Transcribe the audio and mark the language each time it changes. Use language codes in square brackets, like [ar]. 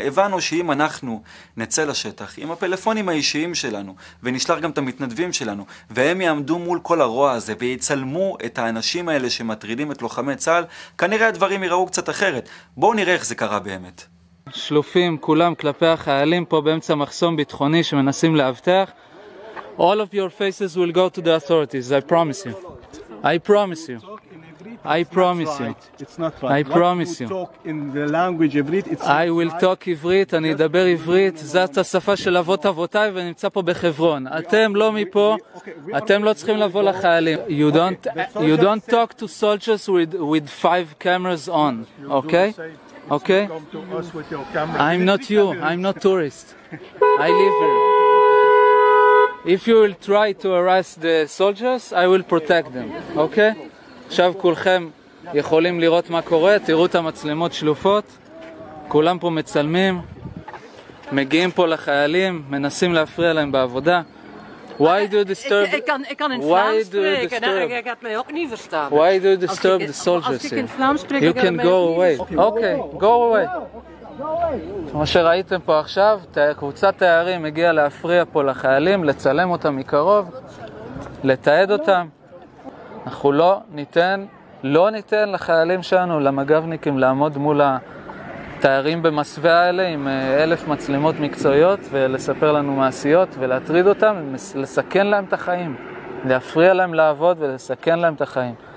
[he] הבנו שאם אנחנו נצא לשטח עם הפלאפונים האישיים שלנו ונשלח גם את המתנדבים שלנו, והם יעמדו מול כל הרוע הזה ויצלמו את האנשים האלה שמטרידים את לוחמי צה"ל, כנראה הדברים יראו קצת אחרת. בואו נראה איך זה קרה באמת. שלופים כולם כלפי החיילים פה באמצע מחסום ביטחוני שמנסים להבטח. [en] All of your faces will go to the authorities, I promise you. I promise you. I promise you. It's not right. I promise you. Talk in the language Hebrew. I will talk Hebrew. [he] אני אדבר עברית. זאת השפה של אבות אבותיי, ואני נמצא פה בחברון. אתם לא מפה. אתם לא צריכים לבוא לחיילים. [en] You don't talk to soldiers with five cameras on. Okay? Okay? I'm not you. I'm not tourist. I live here. If you will try to harass the soldiers, I will protect them. Okay? [he] עכשיו כולכם יכולים לראות מה קורה, תראו את המצלמות שלופות, כולם פה מצלמים, מגיעים פה לחיילים, מנסים להפריע להם בעבודה. [en] Why do you disturb? Why do you disturb the soldiers here? You can go away. Okay, go away. [he] כמו שראיתם פה עכשיו, קבוצת תיירים הגיעה להפריע פה לחיילים, לצלם אותם מקרוב, לתעד אותם. אנחנו לא ניתן לחיילים שלנו, למגבניקים, לעמוד מול התיירים במסווה האלה עם 1,000 מצלמות מקצועיות ולספר לנו מעשיות ולהטריד אותם, לסכן להם את החיים, להפריע להם לעבוד ולסכן להם את החיים.